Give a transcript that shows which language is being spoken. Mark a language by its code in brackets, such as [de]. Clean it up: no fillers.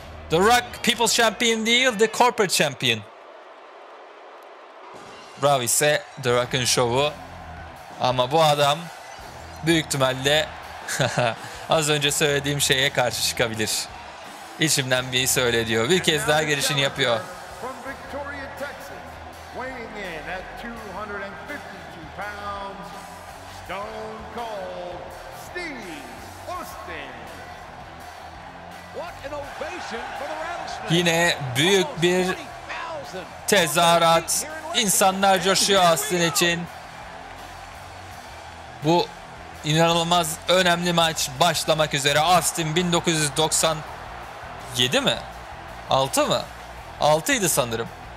[tr] The Rock People's Champion değil, The Corporate Champion. Bravo ise The Rock'ın şovu. Ama bu adam büyük ihtimalle az önce söylediğim şeye karşı çıkabilir. İçimden bir söyle diyor. Bir kez daha girişini yapıyor. [en] From Victoria, Texas, weighing in at 252 pounds, Stone Cold Steve Austin. What an ovation for the Rattlesnake. [tr] Yine büyük bir tezahürat. İnsanlar coşuyor Austin için. Bu inanılmaz önemli maç başlamak üzere. Austin 1997 mi? 6 mı? 6'ydı sanırım.